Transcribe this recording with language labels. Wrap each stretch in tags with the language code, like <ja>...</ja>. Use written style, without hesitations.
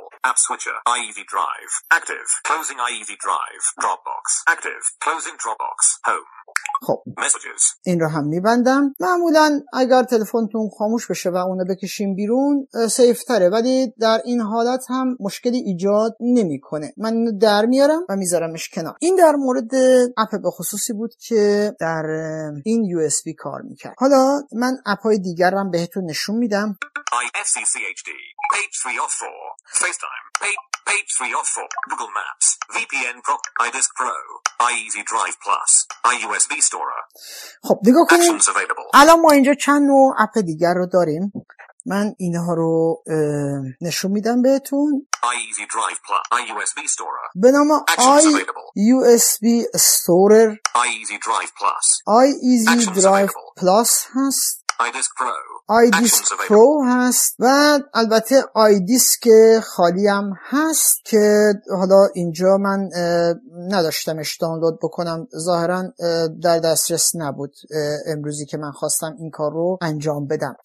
<en>App switcher, iEasy Drive, active, closing iEasy Drive, Dropbox, active, closing Dropbox, home.</en> <fa>خب این رو هم میبندم. معمولا اگر تلفنتون خاموش بشه و اونو بکشیم بیرون سیف تره، ولی در این حالت هم مشکلی ایجاد نمیکنه. من اینو در میارم و میذارمش کنار. این در مورد اپ به خصوصی بود که در این USB کار میکرد. حالا من اپای دیگرم بهتون نشون میدم.</fa> <en>iFCCHD page 3 of 4 FaceTime page 3 of 4 Google Maps VPN Pro iDisk Pro iEasy Drive Plus iUSB Storer.</en> <fa>خب نگاه کنیم الان ما اینجا چند نوع اپ دیگر رو داریم. من اینها رو نشون میدم بهتون. iEasy Drive Plus iUSB Storer به نام iUSB Storer iEasy Drive Plus iEasy Drive Plus هست. iDisk Pro iDisk Pro هست و البته iDisk خالی هم هست که حالا اینجا من نداشتمش دانلود بکنم، ظاهرا در دسترس نبود امروزی که من خواستم این کار رو انجام بدم.</fa>